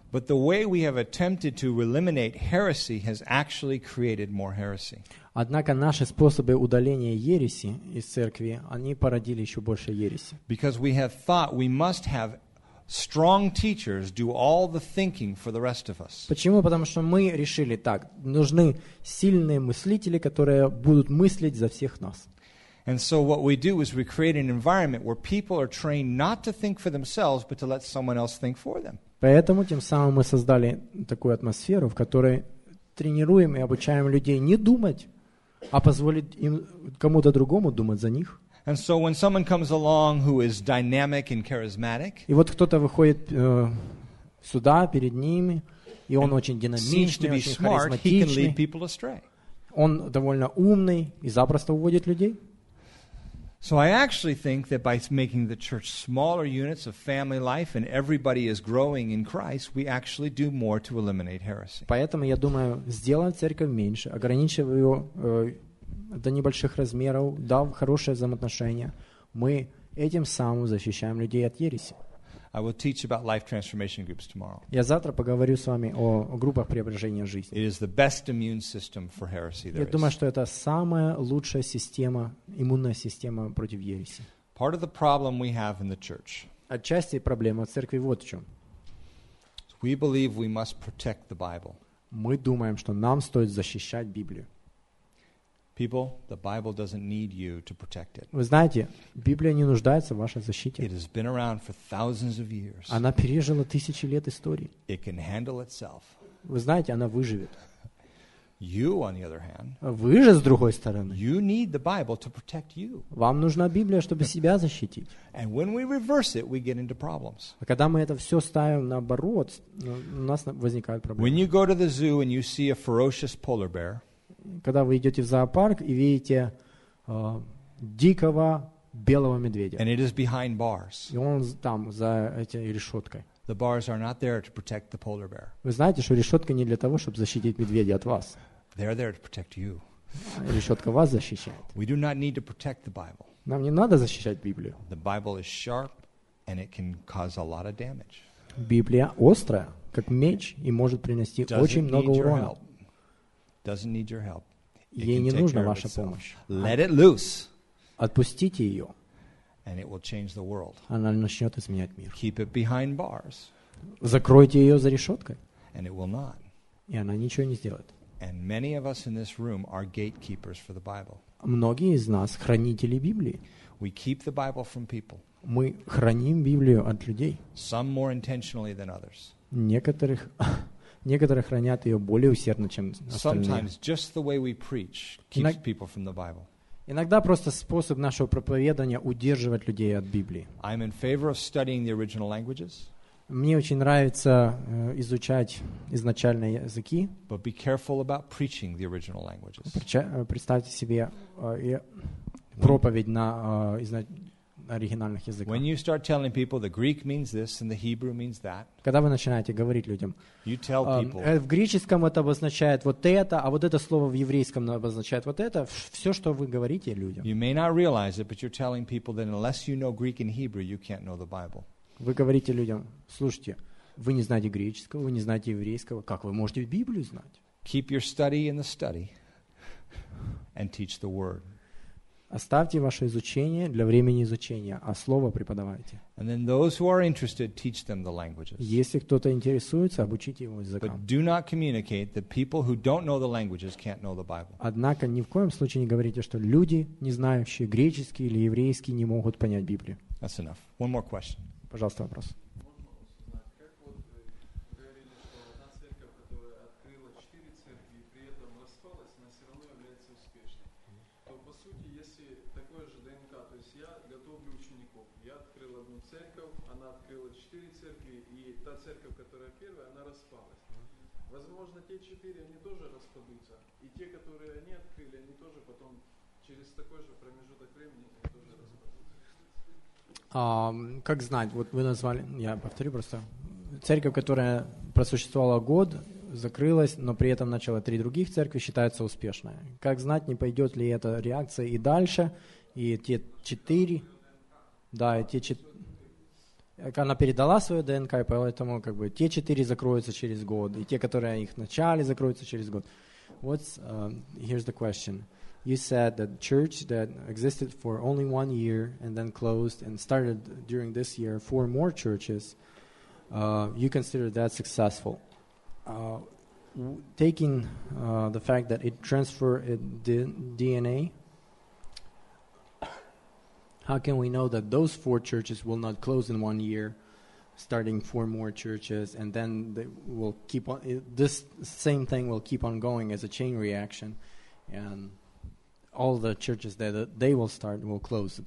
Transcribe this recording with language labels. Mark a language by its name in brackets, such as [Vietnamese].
[English] But the way we have attempted to eliminate heresy has actually created more heresy. [Russian] Однако наши способы удаления ереси из церкви, они породили еще больше ереси. [English] Because we have thought we must have strong teachers do all the thinking for the rest of us. [Russian] Почему? Потому что мы решили так: нужны сильные мыслители, которые будут мыслить за всех нас. [English] And so what we do is we create an environment where people are trained not to think for themselves, but to let someone else think for them. [Russian] Поэтому тем самым мы создали такую атмосферу, в которой тренируем и обучаем людей не думать, а позволить им кому-то другому думать за них. [English] And so when someone comes along who is dynamic and charismatic, [Russian] и вот кто-то выходит сюда перед ними, и он очень динамичный, очень харизматичный, [English] he can lead people astray. [Russian] Он довольно умный и запросто уводит людей. [English] So I actually think that by making the church smaller units of family life and everybody is growing in Christ, we actually do more to eliminate heresy. [Russian] Поэтому я думаю, сделав церковь меньше, ограничив ее до небольших размеров, дав хорошее взаимоотношение, мы этим самым защищаем людей от ереси. [English] I will teach about life transformation groups tomorrow. [Russian] Я завтра поговорю с вами о группах преображения жизни. [English] It is the best immune system for heresy there is. [Russian] Я думаю, что это самая лучшая система, иммунная система против ереси. [English] Part of the problem we have in the church. [Russian] Отчасти проблема в церкви вот в чем. [English] We believe we must protect the Bible. [Russian] Мы думаем, что нам стоит защищать Библию. [English] People, the Bible doesn't need you to protect it. [Russian] Вы знаете, Библия не нуждается в вашей защите. [English] It has been around for thousands of years. [Russian] Она пережила тысячи лет истории. [English] It can handle itself. [Russian] Вы знаете, она выживет. [English] You, on the other hand, [Russian] вы же с другой стороны. [English] You need the Bible to protect you. [Russian] Вам нужна Библия, чтобы себя защитить. [English] And when we reverse it, we get into problems. [Russian] А когда мы это все ставим наоборот, у нас возникают проблемы. [English] When you go to the zoo and you see a ferocious polar bear, [Russian] когда вы идете в зоопарк и видите дикого белого медведя. [English] And it is behind bars. [Russian] И он там, за этой решеткой. [English] The bars are not there to protect the polar bear. [Russian] Вы знаете, что решетка не для того, чтобы защитить медведя от вас. [English] They're there to protect you. [Russian] Решетка вас защищает. [English] We do not need to protect the Bible. [Russian] Нам не надо защищать Библию. [English] The Bible is sharp and it can cause a lot of damage. [Russian] Библия острая, как меч, и может принести [English] Does [Russian] очень много урона. [English] Doesn't need your help. [Russian] Ей не нужна ваша помощь. [English] Let it loose. [Russian] Отпустите ее. [English] And it will change the world. [Russian] Она начнет изменять мир. [English] Keep it behind bars. [Russian] Закройте ее за решеткой. [English] And it will not. [Russian] И она ничего не сделает. [English] And many of us in this room are gatekeepers for the Bible. [Russian] Многие из нас хранители Библии. [English] We keep the Bible from people. [Russian] Мы храним Библию от людей. [English] Some more intentionally than others. [Russian] Некоторых Некоторые хранят ее более усердно, чем остальные. [English] Sometimes just the way we preach keeps people from the Bible. [Russian] Иногда просто способ нашего проповедования удерживать людей от Библии. [English] I'm in favor of studying the original languages. [Russian] Мне очень нравится изучать изначальные языки. [English] But be careful about preaching the original languages. [Russian] Представьте себе проповедь на оригинальных языках. [English] When you start telling people the Greek means this and the Hebrew means that, [Russian] когда вы начинаете говорить людям, [English] you tell people, [Russian] в греческом это обозначает вот это, а вот это слово в еврейском обозначает вот это, все, что вы говорите людям. [English] You may not realize it, but you're telling people that unless you know Greek and Hebrew, you can't know the Bible. [Russian] Вы говорите людям, слушайте, вы не знаете греческого, вы не знаете еврейского, как вы можете Библию знать? [English] Keep your study in the study and teach the word. [Russian] Оставьте ваше изучение для времени изучения, а слово преподавайте. [English] And then those who are interested, teach them the languages. [Russian] Если кто-то интересуется, обучите его языкам. [English] But do not communicate that people who don't know the languages can't know the Bible. [Russian] Однако ни в коем случае не говорите, что люди, не знающие греческий или еврейский, не могут понять Библию. [English] That's enough. One more question. [Russian] Пожалуйста, вопрос. Как вот вы говорили, что одна церковь, которая сути, если такое же ДНК, то есть я готовлю учеников. Я открыл одну церковь, она открыла четыре церкви, и та церковь, которая первая, она распалась. Возможно, те четыре, они тоже распадутся, и те, которые они открыли, они тоже потом через такой же промежуток времени тоже распадутся. Как знать, вот вы назвали, я повторю просто, церковь, которая просуществовала год, закрылась, но при этом начала три других церкви, считается успешной. Как знать, не пойдет ли эта реакция и дальше, и те четыре, да, и те четыре, она передала свою ДНК, и поэтому как бы те четыре закроются через год, и те, которые их начали, закроются через год. [English] What's, here's the question. You said that church that existed for only 1 year and then closed and started during this year four more churches, you consider that successful. Taking the fact that it transferred the DNA, how can we know that those four churches will not close in 1 year, starting four more churches, and then they will keep on, this same thing will keep on going as a chain reaction, and all the churches that they will start will close at